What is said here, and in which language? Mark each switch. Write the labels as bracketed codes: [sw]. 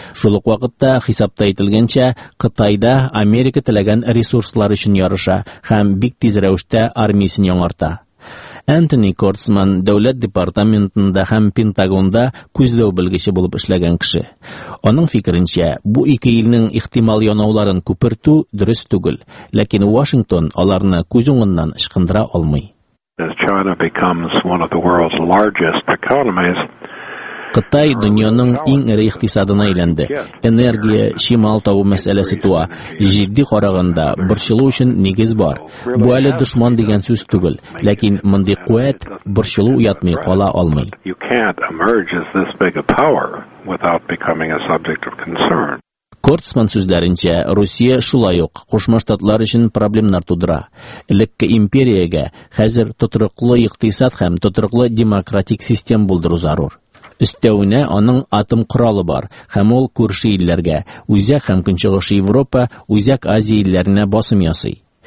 [tt] Шул ук вакытта хисапта әйтелгәнчә, Кытайда Америка теләгән ресурслар өчен ярыша һәм бик тиз рәвештә армиясен яңарта. Энтони Кортсман дәүләт департаментында һәм Пентагонда күзләү белгече булып эшләгән кеше. Аның фикеренчә, бу ике илнең ихтимал янауларын күпертү дөрес түгел, ләкин Вашингтон аларны күз уңыннан ышкындыра алмый. [en] As China becomes one of the world's largest economies, [tt] Кытай дөньяның иң эре икътисадына әйләнде. Энергия, шимал табу мәсьәләсе туа. Җитди караганда, борчылу өчен нигез бар. Бу әле дошман дигән сүз түгел, ләкин мондый куәт борчылу уятмый кала алмый. [en] You can't emerge as this big a power without becoming a subject of concern. [tt] Кортсман сүзләренчә, Россия шулай ук Кушма Штатлар өчен проблемнар тудыра. Элекке империягә хәзер тотрыклы икътисад һәм тотрыклы демократик система булдыру зарур. Өстәвенә аның атом коралы бар, һәм ул күрше илләргә, үзәк һәм көнчыгыш Европа, үзәк Азия илләренә басым ясый.